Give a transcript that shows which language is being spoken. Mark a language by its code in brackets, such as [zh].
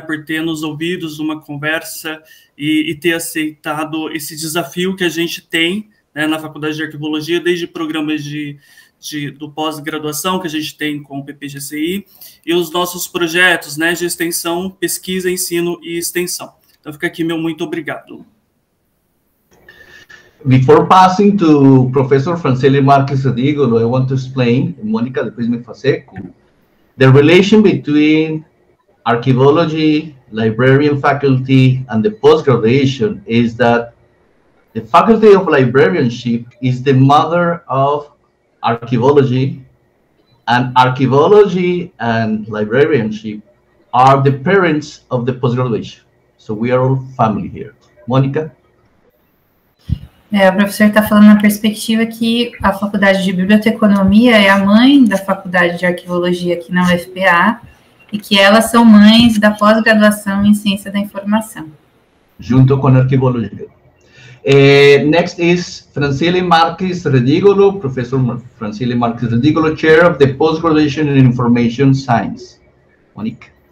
[pt] Por ter nos ouvidos uma conversa e ter aceitado esse desafio que a gente tem, né, na Faculdade de Arquivologia, desde programas do pós-graduação que a gente tem com o PPGCI, e os nossos projetos, né, de extensão, pesquisa, ensino e extensão. Então, fica aqui meu muito obrigado. [en] Before passing to Professor Franciele Marques Adigolo, I want to explain, [pt] Mônica, depois me faço, [en] the relation between archaeology, librarian faculty, and the post-graduation is that the faculty of librarianship is the mother of archaeology, and archaeology and librarianship are the parents of the post-graduation. So we are all family here. Mônica? [pt] É, o professor está falando na perspectiva que a faculdade de biblioteconomia é a mãe da faculdade de arqueologia aqui na UFPA, e que elas são mães da pós-graduação em ciência da informação. Junto com a arquivologia. [en] Next is Franciele Marques Redigolo, Professor Franciele Marques Redigolo, Chair of the Post-Graduation in Information Science. Monique.